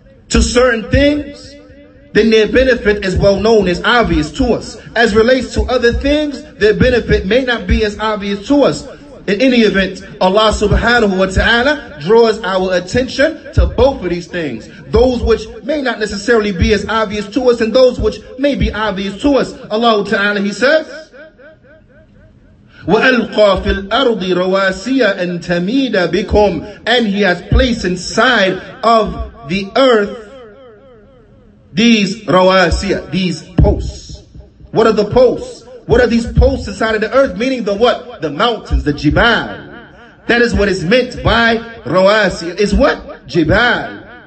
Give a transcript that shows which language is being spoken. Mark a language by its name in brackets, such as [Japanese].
[English] to certain things, then their benefit is well known, is obvious to us. As relates to other things, their benefit may not be as obvious to us. In any event, Allah subhanahu wa ta'ala draws our attention to both of these things. Those which may not necessarily be as obvious to us and those which may be obvious to us. [Arabic] Allah ta'ala, [English] he says, [Arabic] وَأَلْقَى فِي الْأَرْضِ رَوَاسِيَ أَنْ تَمِيدَ بِكُمْ. [English] And he has placed inside of the earth these رَوَاسِيَ, these posts. What are the posts? What are these posts inside of the earth? Meaning the what? The mountains, the jibal. That is what is meant by rawasiya. Is what? Jibal.